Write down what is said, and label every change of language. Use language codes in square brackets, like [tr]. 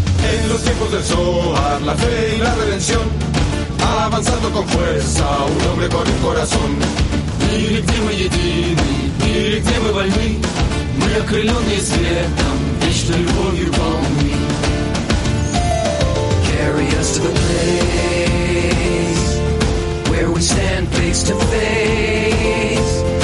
[es] En los tiempos del Zohar, la fe y la redención, avanzando con fuerza, un hombre con un corazón. [ru] Мир, где мы едины, мир, где мы больны, мы окрылённые светом, вечной любовью полны. [en] Carry us to the place where we stand face to face.